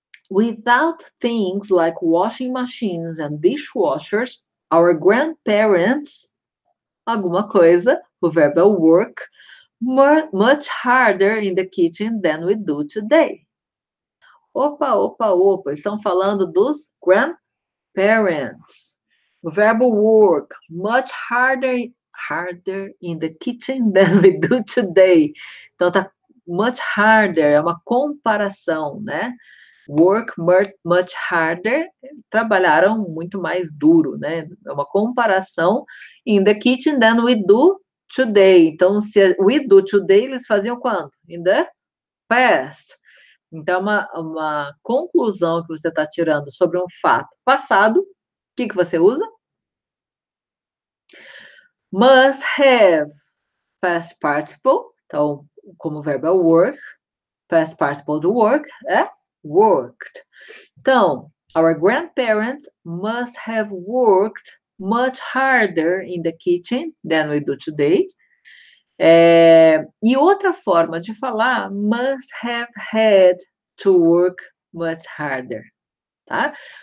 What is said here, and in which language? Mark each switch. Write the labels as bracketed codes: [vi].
[en] Without things like washing machines and dishwashers, our grandparents, [pt] alguma coisa, o verbo é [en] work, much harder in the kitchen than we do today. [pt] Opa, opa, opa, estão falando dos grandparents. O verbo [en] work, much harder in the kitchen than we do today. [pt] Então, tá [en] much harder, [pt] é uma comparação, né? [en] Work much harder, [pt] trabalharam muito mais duro, né? É uma comparação [en] in the kitchen than we do today. [pt] Então, se [en] we do today, [pt] eles faziam quando? [en] In the past. [pt] Então, uma conclusão que você está tirando sobre um fato passado, o que você usa? Must have past participle. Então, como o verbo é work, past participle do work é worked. Então, [en] our grandparents must have worked much harder in the kitchen than we do today. [pt] E outra forma de falar, [en] must have had to work much harder, tá?